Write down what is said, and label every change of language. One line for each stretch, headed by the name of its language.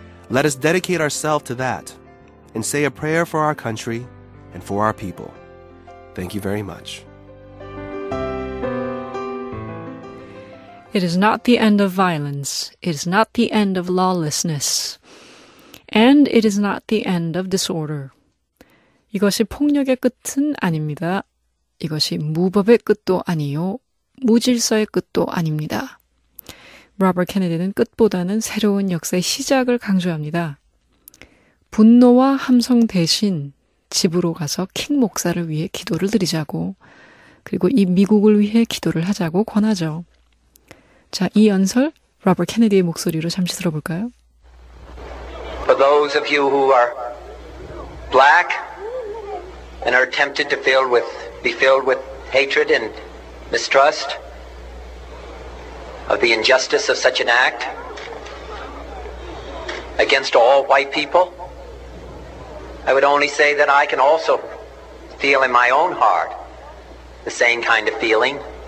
English: Let us dedicate ourselves to that, and say a prayer for our country and for our people. Thank you very much. It is not the end of violence. It is not the end of lawlessness. And it is not the end of disorder.
Korean: 이것이 폭력의 끝은 아닙니다. 이것이 무법의 끝도 아니요. 무질서의 끝도 아닙니다. 로버트 케네디는 끝보다는 새로운 역사의 시작을 강조합니다. 분노와 함성 대신 집으로 가서 킹 목사를 위해 기도를 드리자고, 그리고 이 미국을 위해 기도를 하자고 권하죠. 자, 이 연설 로버트 케네디의 목소리로 잠시 들어볼까요?
English: For those of you who are black and are tempted to be filled with hatred and mistrust of the injustice of such an act against all white people, I would only say that I can also feel in my own heart the same kind of feeling.